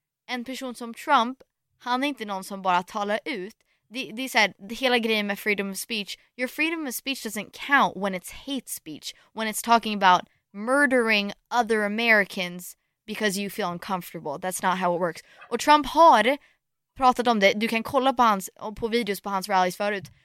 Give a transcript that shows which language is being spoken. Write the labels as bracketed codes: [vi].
[sv] En person som Trump, han är inte någon som bara talar ut. Det är så här, det hela grejen med [en] freedom of speech. Your freedom of speech doesn't count when it's hate speech. When it's talking about murdering other Americans because you feel uncomfortable. That's not how it works. [sv] Och Trump har pratat om det. Du kan kolla på videos på hans rallies förut.